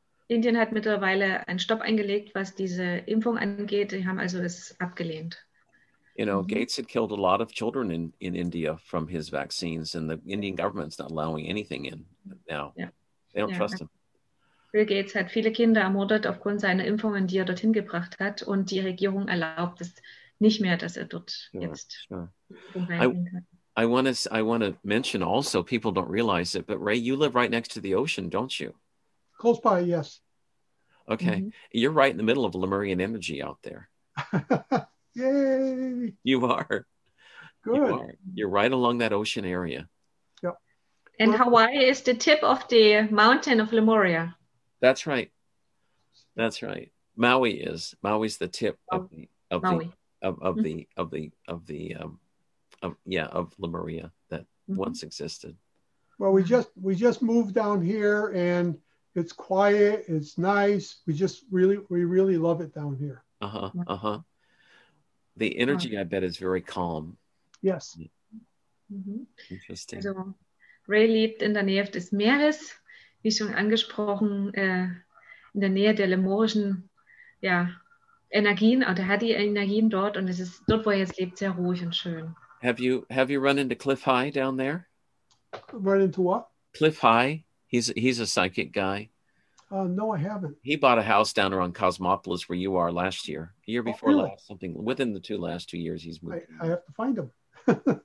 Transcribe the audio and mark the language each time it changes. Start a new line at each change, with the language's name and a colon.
German: Indien hat mittlerweile einen Stopp eingelegt, was diese Impfung angeht. Die haben also es abgelehnt.
English: You know, Gates had killed a lot of children in India from his vaccines, and the Indian government's not allowing anything in now. Yeah. They don't trust him.
German: Bill Gates hat viele Kinder ermordet aufgrund seiner Impfungen, die er dorthin gebracht hat, und die Regierung erlaubt es nicht mehr, dass er dort jetzt rein kann.
English: I want to mention also, people don't realize it, but Ray, you live right next to the ocean, don't you? Close by, yes. Okay. Mm-hmm. You're right in the middle of Lemurian energy out there. Yay! You are. Good. You are. You're right along that ocean area. Yep. And Hawaii is the tip of the mountain of Lemuria. That's right. That's right. Maui is. Maui's the tip of Lemuria that mm-hmm. once existed. Well, we just moved down here and it's quiet. It's nice. We really love it down here. Uh huh. Uh huh. The energy, I bet, is very calm. Yes. Mm-hmm. Interesting. Also,
German: Ray lebt in der Nähe des Meeres, wie schon angesprochen, in der Nähe der Lemurischen, ja, Energien, oder hat die Energien dort, und es ist dort, wo er jetzt lebt, sehr ruhig und schön.
English: Have you run into Cliff High down there? Run into what? Cliff High. He's a psychic guy. No, I haven't. He bought a house down around Cosmopolis where you are last year. A year before last, something within the last two years he's moved. I have to find him.